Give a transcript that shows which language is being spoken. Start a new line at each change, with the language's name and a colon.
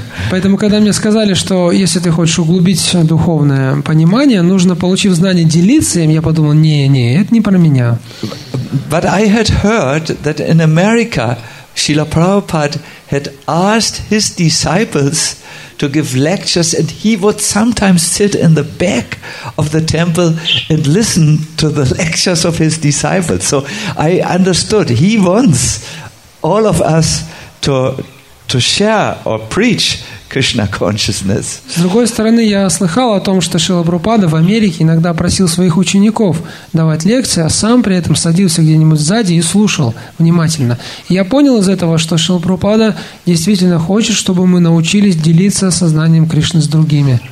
Russian: Поэтому, когда мне сказали, что если ты хочешь углубить духовное понимание, нужно, получив знание, делиться им, я подумал, не, это не про меня.
English: But I had heard that in America Srila Prabhupada had asked his disciples to give lectures, and he would sometimes sit in the back of the temple and listen to the lectures of his disciples. So I understood he wants all of us to to share or preach Krishna consciousness.
Russian: С другой стороны, я слыхал о том, что Шрила Прабхупада в Америке иногда просил своих учеников давать лекции, а сам при этом садился где-нибудь сзади и слушал внимательно. Я понял из этого, что Шрила Прабхупада действительно хочет, чтобы мы научились делиться сознанием Кришны с другими.